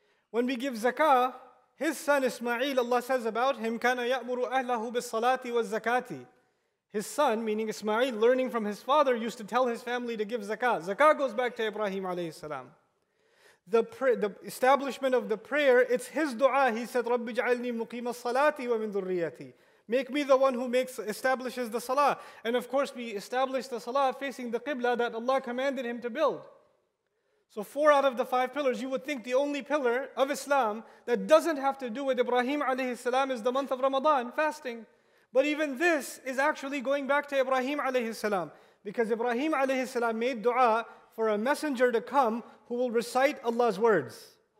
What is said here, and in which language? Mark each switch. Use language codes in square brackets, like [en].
[en] When we give zakah, his son Ismail, Allah says about him, [ar] كَانَ يَأْمُرُ أَهْلَهُ بِالصَّلَاةِ وَالزَّكَاةِ. [en] His son, meaning Ismail, learning from his father, used to tell his family to give zakah. Zakah goes back to Ibrahim alayhi salam. The establishment of the prayer, it's his dua. He said, [ar] رَبِّ جَعَلْنِي مُقِيمَ الصَّلَاةِ وَمِنْ ذُرِّيَّتِي. [en] Make me the one who establishes the salah. And of course, we establish the salah facing the qibla that Allah commanded him to build. So four out of the five pillars, you would think the only pillar of Islam that doesn't have to do with Ibrahim alayhi salam is the month of Ramadan, fasting. But even this is actually going back to Ibrahim alayhi salam, because Ibrahim alayhi salam made dua for a messenger to come who will recite Allah's words.